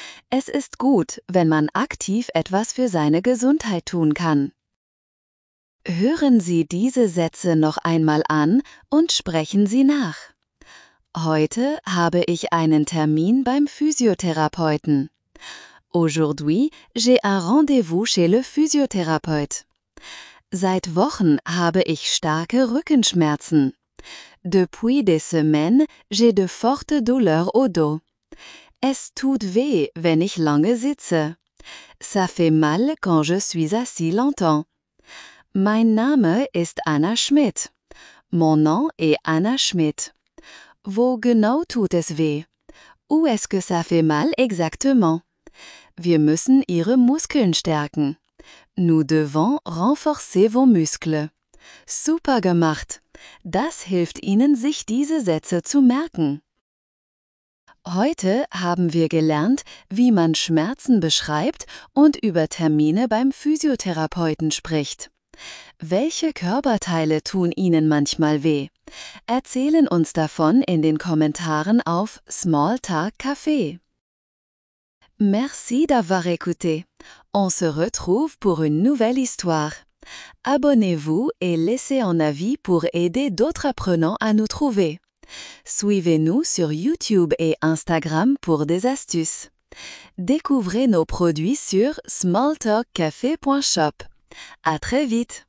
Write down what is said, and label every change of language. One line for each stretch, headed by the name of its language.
German: Es ist gut, wenn man aktiv etwas für seine Gesundheit tun kann. Hören Sie diese Sätze noch einmal an und sprechen Sie nach. Heute habe ich einen Termin beim Physiotherapeuten.
French: Aujourd'hui, j'ai un rendez-vous chez le physiothérapeute.
German: Seit Wochen habe ich starke Rückenschmerzen.
French: Depuis des semaines, j'ai de fortes douleurs au dos.
German: Es tut weh, wenn ich lange sitze.
French: Ça fait mal quand je suis assis longtemps.
German: Mein Name ist Anna Schmidt.
French: Mon nom est Anna Schmidt.
German: Wo genau tout es weh?
French: Où est-ce que ça fait mal exactement?
German: Wir müssen Ihre Muskeln stärken.
French: Nous devons renforcer vos muscles.
German: Super gemacht! Das hilft Ihnen, sich diese Sätze zu merken. Heute haben wir gelernt, wie man Schmerzen beschreibt und über Termine beim Physiotherapeuten spricht. Welche Körperteile tun Ihnen manchmal weh? Erzählen uns davon in den Kommentaren auf Small Talk Café.
French: Merci d'avoir écouté. On se retrouve pour une nouvelle histoire. Abonnez-vous et laissez un avis pour aider d'autres apprenants à nous trouver. Suivez-nous sur YouTube et Instagram pour des astuces. Découvrez nos produits sur smalltalkcafe.shop. À très vite!